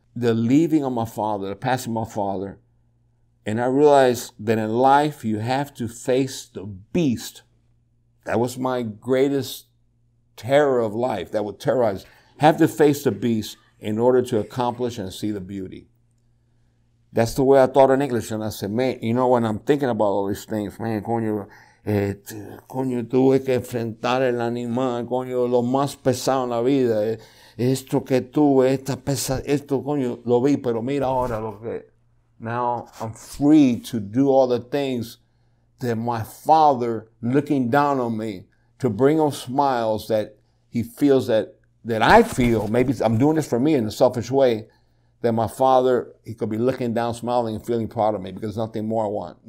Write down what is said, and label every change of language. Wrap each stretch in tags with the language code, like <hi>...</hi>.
<en>The leaving of my father, the passing of my father. And I realized that in life, you have to face the beast. That was my greatest terror of life. That would terrorize. Have to face the beast in order to accomplish and see the beauty. That's the way I thought in English. And I said, man, you know, when I'm thinking about all these things, man, going to</en> <es>coño, tuve que enfrentar el animal, coño, lo más pesado en la vida. Esto que tuve, esta pesa, esto, coño, lo vi, pero mira ahora lo que...</es> <en>Now I'm free to do all the things that my father looking down on me to bring him smiles that he feels that I feel, maybe I'm doing this for me in a selfish way, that my father, he could be looking down, smiling, and feeling proud of me because nothing more I want.</en>